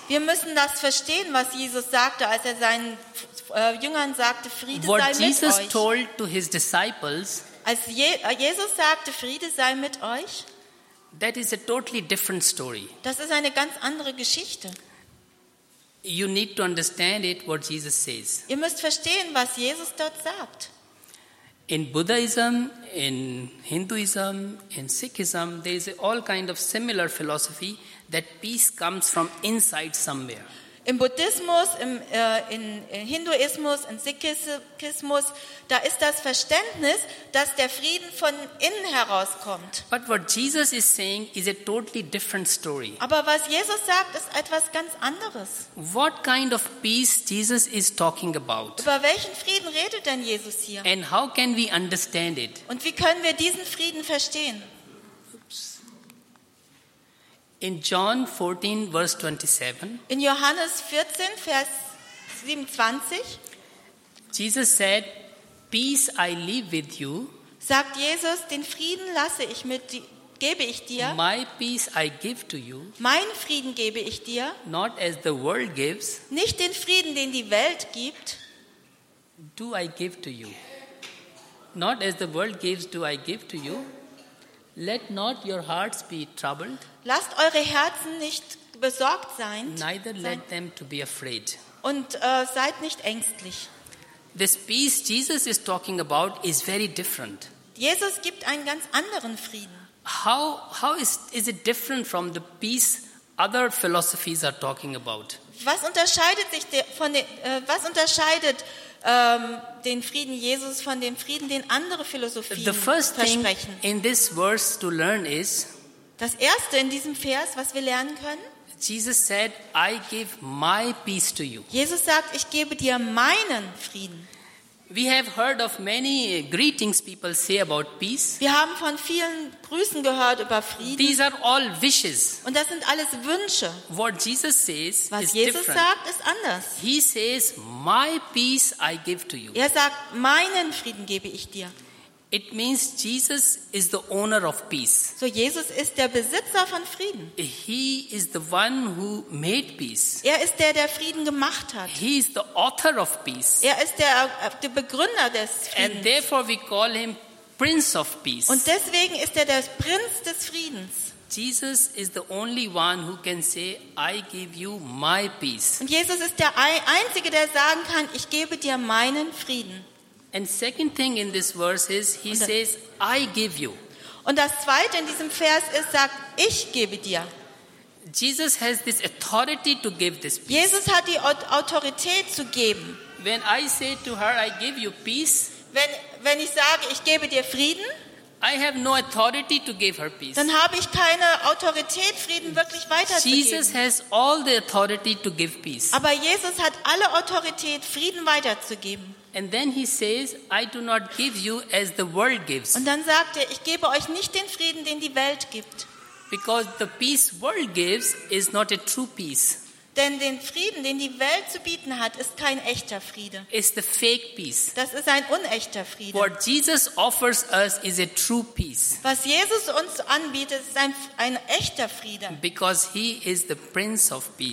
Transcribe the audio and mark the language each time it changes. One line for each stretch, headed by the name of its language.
German: Wir müssen das verstehen, was Jesus sagte, als er seinen Jüngern sagte, Friede sei mit euch.
English: What Jesus told to his disciples.
German: Als Jesus sagte, Friede sei mit euch.
English: That is a totally different story.
German: Das ist eine ganz andere Geschichte.
English: You need to understand it, what Jesus says.
German: Ihr müsst verstehen, was Jesus dort sagt.
English: In Buddhism, in Hinduism, in Sikhism, there is all kind of similar philosophy that peace comes from inside somewhere.
German: Im Buddhismus, im Hinduismus, im Sikhismus, da ist das Verständnis, dass der Frieden von innen herauskommt.
English: But what Jesus is saying is a totally different story.
German: Aber was Jesus sagt, ist etwas ganz anderes.
English: What kind of peace Jesus is talking about?
German: Über welchen Frieden redet denn Jesus hier?
English: And how can we understand it?
German: Und wie können wir diesen Frieden verstehen?
English: In John 14, verse 27.
German: In Johannes 14, Vers 27.
English: Jesus said, "Peace I leave with you."
German: Sagt Jesus, den Frieden lasse ich mit, gebe ich dir.
English: My peace I give to you.
German: Mein Frieden gebe ich dir.
English: Not as the world gives.
German: Nicht den Frieden, den die Welt gibt.
English: Do I give to you? Not as the world gives, do I give to you? Let not your hearts be troubled.
German: Lasst eure Herzen nicht besorgt sein.
English: Neither let them to be afraid.
German: Und seid nicht ängstlich.
English: This peace Jesus is talking about is very different.
German: Jesus gibt einen ganz anderen Frieden.
English: How is it different from the peace other philosophies are talking about?
German: Was unterscheidet sich den Frieden Jesus von dem Frieden, den andere Philosophien
English: the first
German: versprechen?
English: Thing in this verse to learn is.
German: Das erste in diesem Vers, was wir lernen können.
English: Jesus said, "I give my peace to you."
German: Jesus sagt, ich gebe dir meinen Frieden.
English: We have heard of many greetings people say about peace.
German: Wir haben von vielen Grüßen gehört über Frieden.
English: These are all wishes.
German: Und das sind alles Wünsche.
English: What Jesus says
German: was
English: is
German: Jesus
English: different.
German: Sagt, ist anders.
English: He says, "My peace I give to you."
German: Er sagt, meinen Frieden gebe ich dir.
English: It means Jesus is the owner of peace.
German: So Jesus ist der Besitzer von Frieden.
English: He is the one who made peace.
German: Er ist der Frieden gemacht hat.
English: He is the author of peace.
German: Er ist der Begründer des Friedens.
English: And therefore we call him Prince of Peace.
German: Und deswegen ist er der Prinz des Friedens.
English: Jesus is the only one who can say, "I give you my peace."
German: Und Jesus ist der einzige, der sagen kann, ich gebe dir meinen Frieden.
English: And second thing in this verse is he says, "I give you."
German: Und das zweite in diesem Vers ist, sagt, ich gebe dir.
English: Jesus has this authority to give this peace.
German: Jesus hat die Autorität zu geben.
English: When I say to her, "I give you peace,"
German: wenn ich sage, ich gebe dir Frieden,
English: I have no authority to give her peace.
German: Dann habe ich keine Autorität, Frieden wirklich weiterzugeben.
English: Jesus has all the authority to give peace.
German: Aber Jesus hat alle Autorität, Frieden weiterzugeben.
English: And then he says, "I do not give you as the world gives."
German: Und dann sagt er, ich gebe euch nicht den Frieden, den die Welt gibt.
English: Because the peace world gives is not a true peace.
German: Denn den Frieden, den die Welt zu bieten hat, ist kein echter Friede.
English: It's the fake peace.
German: Das ist ein unechter Friede.
English: What Jesus offers us is a true peace.
German: Was Jesus uns anbietet, ist ein echter Friede.
English: Because he is the Prince of Peace.